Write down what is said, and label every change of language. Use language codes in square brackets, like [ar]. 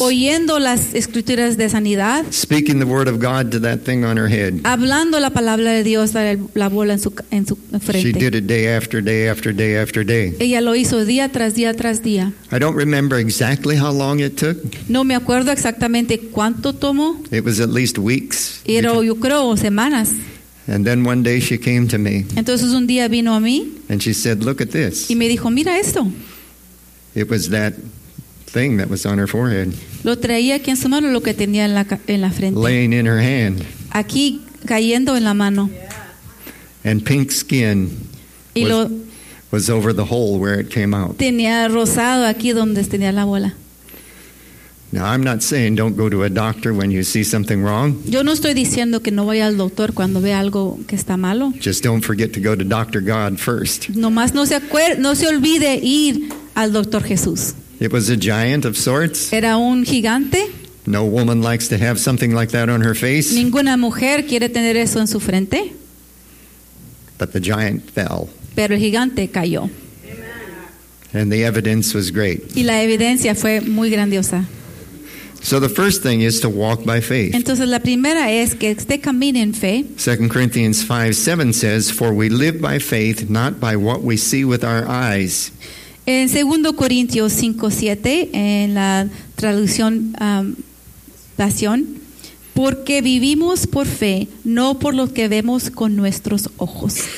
[es] Oyendo las escrituras de sanidad. [en] Speaking the word of God to that thing on her head. [es] Hablando la palabra de Dios a la bola en su frente. [en] She did it day after day after day after day. [es] Ella lo hizo día tras día tras día. [en] I don't remember exactly how long it took. [es] No me acuerdo exactamente cuánto tomó. [en] It was at least weeks. [es] Pero yo creo semanas. [en] And then one day she came to me. [es] Entonces un día vino a mí. [en] And she said, "Look at this." [es] Y me dijo, "Mira esto." [en] It was that thing that was on her forehead. [es] Lo traía aquí en su mano, lo que tenía en la frente. [en] Laying in her hand. [es] Aquí cayendo en la mano. [en] And pink skin. [es] Y [en] was over the hole where it came out. [es] Tenía rosado aquí donde tenía la bola. [en] Now I'm not saying don't go to a doctor when you see something wrong. [es] Yo no estoy diciendo que no vaya al doctor cuando vea algo que está malo. [en] Just don't forget to go to Dr. God first. [es] Nomás no se olvide ir al doctor Jesús. [en] It was a giant of sorts. [es] Era un gigante. [en] No woman likes to have something like that on her face. [es] Ninguna mujer quiere tener eso en su frente. [en] But the giant fell. [es] Pero el gigante cayó. [en] And the evidence was great. [es] Y la evidencia fue muy grandiosa. [en] So the first thing is to walk by faith. [es] Entonces la primera es que usted camine en fe. [en] 2 Corinthians 5:7 says, "For we live by faith, not by what we see with our eyes." [es] En 2 Corintios 5:7 en la traducción pasión, porque vivimos por fe, no por lo que vemos con nuestros ojos.